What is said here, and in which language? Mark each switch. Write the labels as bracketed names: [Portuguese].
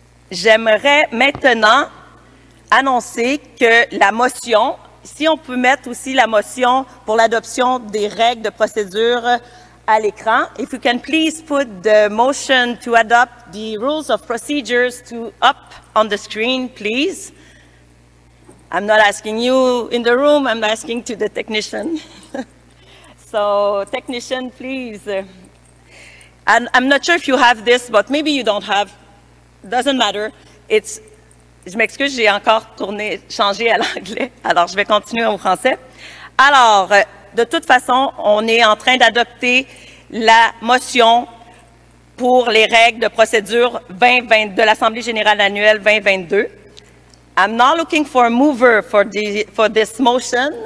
[French] J'aimerais maintenant annoncer que la motion, si on peut mettre aussi la motion pour l'adoption des règles de procédure à l'écran. [English] If you can please put the motion to adopt the rules of procedures to up on the screen, please. I'm not asking you in the room, I'm asking to the technician. So, technician, please. And I'm not sure if you have this, but maybe you don't have. Doesn't matter. It's. [French] Je m'excuse, j'ai encore tourné, changé à l'anglais. Alors, je vais continuer en français. Alors, de toute façon, on est en train d'adopter la motion pour les règles de procédure 2020 de l'Assemblée générale annuelle 2022. [English] I'm not looking for a mover for this motion.